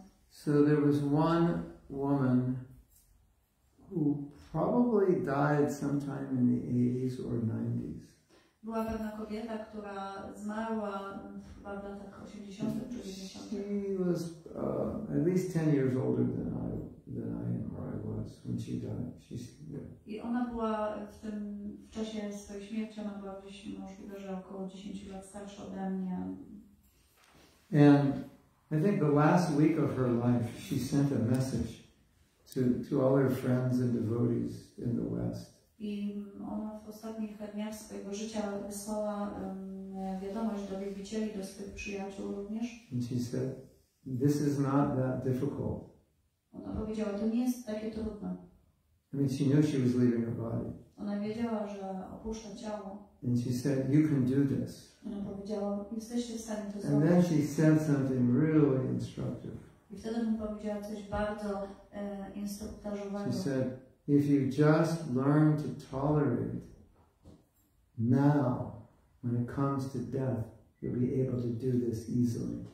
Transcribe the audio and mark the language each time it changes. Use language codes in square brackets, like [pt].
[en] So there was one woman who probably died sometime in the 80s or 90s. [pl] Była pewna kobieta, która zmarła w latach 80. czy 90. [en] She was at least 10 years older than I am or I was when she died. [pl] I ona była w czasie swojej śmierci, ona była gdzieś możliwe, że około 10 lat starsza ode mnie. [en] And I think the last week of her life, she sent a message to all her friends and devotees in the West. [pl] I ona w ostatnich dniach swojego życia wysłała wiadomość do wielbicieli, do swoich przyjaciół również. [en] And she said, this is not that difficult. [pl] Ona powiedziała, to nie jest takie trudne. [en] I mean, she knew she was leaving her body. [pl] Ona wiedziała, że opuszcza ciało. [en] And she said, you can do this. [pl] Ona powiedziała, jesteście w stanie to zrobić. [en] And then she said something really instructive. [pl] I wtedy mu powiedziała coś bardzo instruktażowego. [en] She said, if you just learn to tolerate now, when it comes to death, you'll be able to do this easily.